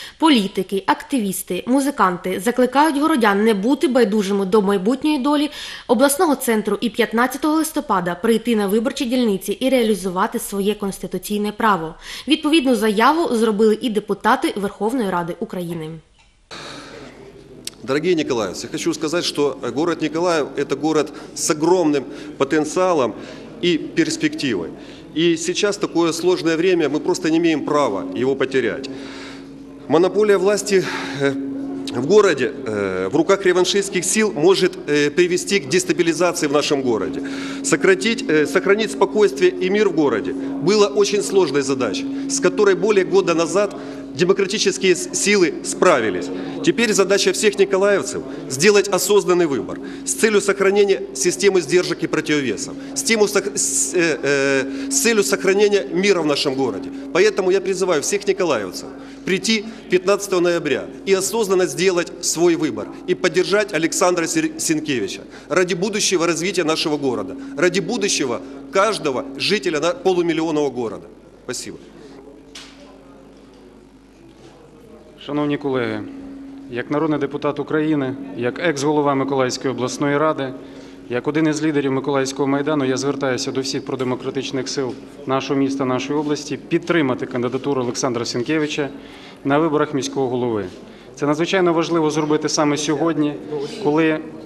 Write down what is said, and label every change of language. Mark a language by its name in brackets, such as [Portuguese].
[Ukrainian] Політики, активісти, музиканти закликають городян не бути байдужими до майбутньої долі обласного центру і 15 листопада прийти на виборчі дільниці і реалізувати своє конституційне право. Відповідну заяву зробили і депутати Верховної Ради України. Дорогие миколаївці, я хочу сказати, що город Миколаїв – це город з огромним потенціалом і перспективою. [Russian] И сейчас такое сложное время, мы просто не имеем права его потерять. Монополия власти в городе, в руках реваншистских сил, может привести к дестабилизации в нашем городе. Сохранить спокойствие и мир в городе было очень сложной задачей, с которой более года назад демократические силы справились. Теперь задача всех николаевцев – сделать осознанный выбор с целью сохранения системы сдержек и противовесов, с целью сохранения мира в нашем городе. Поэтому я призываю всех николаевцев прийти 15 ноября и осознанно сделать свой выбор и поддержать Александра Сенкевича ради будущего развития нашего города, ради будущего каждого жителя полумиллионного города. Спасибо. [Ukrainian] Шановні колеги, як народний депутат України, як екс-голова Миколаївської обласної ради, як один із лідерів Миколаївського Майдану, я звертаюся до всіх продемократичних сил нашого міста, нашої області підтримати кандидатуру Олександра Сенкевича на виборах міського голови. Це надзвичайно важливо зробити саме сьогодні, коли